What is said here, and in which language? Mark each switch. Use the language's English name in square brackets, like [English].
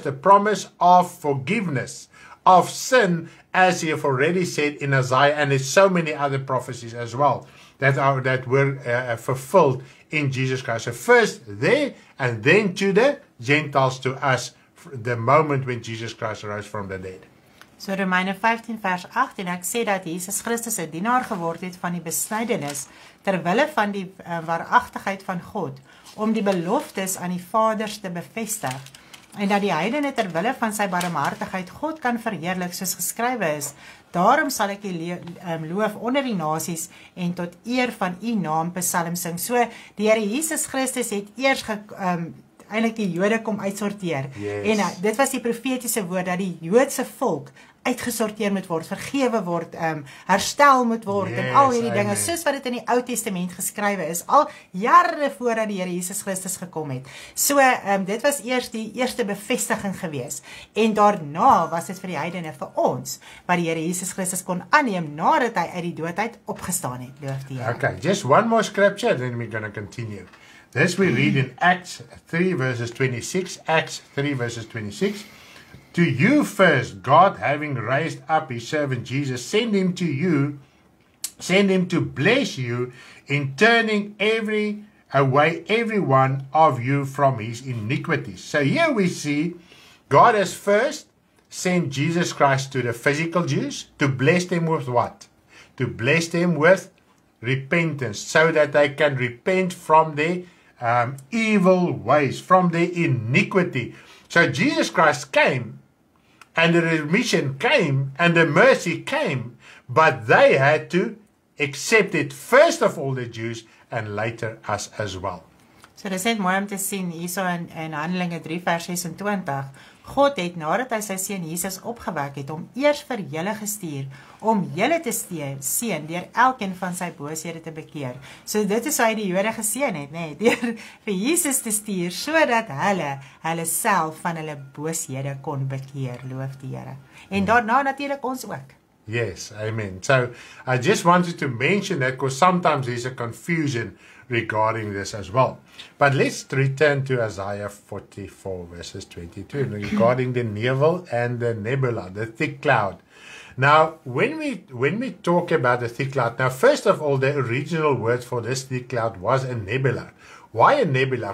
[English] The promise of forgiveness of sin, as he have already said in Isaiah, and there's so many other prophecies as well that were fulfilled in Jesus Christ. So first there, and then to the Gentiles, to us, the moment when Jesus Christ arose from the dead. [Afrikaans] So Romeine 15 vers 8, en ek sê dat Jesus Christus 'n dienaar geword het van die besnydenis ter wille van die waaragtigheid van God, om die beloftes aan die vaders te bevestig, en dat die heidene ter wille van sy barmhartigheid God kan verheerlik, soos geskrywe is, daarom sal ek die loof onder die nasies en tot eer van u naam psalms sing. So die Here Jesus Christus het eers eintlik die Jode kom uitsorteer. [English] Yes. [Afrikaans] En dit was die profetiese woord dat die Joodse volk uitgesorteer moet word, vergewe word, herstel moet word, yes, en al hierdie dinge, soos wat dit in die Ou Testament geskrywe is, al jare voordat die Here Jesus Christus gekom het. So, dit was eers die eerste bevestiging gewees, en daarna was dit vir die heidene, vir ons, wat die Here Jesus Christus kon aanneem, nadat hy uit die doodheid opgestaan het, loof die Here. [English] Okay, just one more scripture, then we're going to continue. This we read in Acts 3 verses 26, Acts 3 verses 26, To you first, God, having raised up his servant Jesus, send him to you, send him to bless you in turning every one of you from his iniquities. So here we see God has first sent Jesus Christ to the physical Jews to bless them with what? To bless them with repentance so that they can repent from their evil ways, from their iniquity. So Jesus Christ came. And the remission came, and the mercy came, but they had to accept it first of all the Jews, and later us as well. [Afrikaans] So dit is net mooi om te sien, hierso in Handelinge 3 vers 26, God het nadat hy sy seun Jesus opgewek het, om eers vir julle gestuur, om julle te seën deur elkeen van sy booshede te bekeer. So dit is hoe hy die Jode geseën het, nê, deur vir Jesus te stuur sodat hulle self van hulle booshede kon bekeer, loof die Here. En daarna natuurlik ons ook. [English] Yes, amen. So I just wanted to mention that because sometimes there's a confusion regarding this as well. But let's return to Isaiah 44 verses 22 regarding the Newel and the Nebula, the thick cloud. Now, when we talk about the thick cloud, now, first of all, the original word for this thick cloud was a nebula. Why a nebula?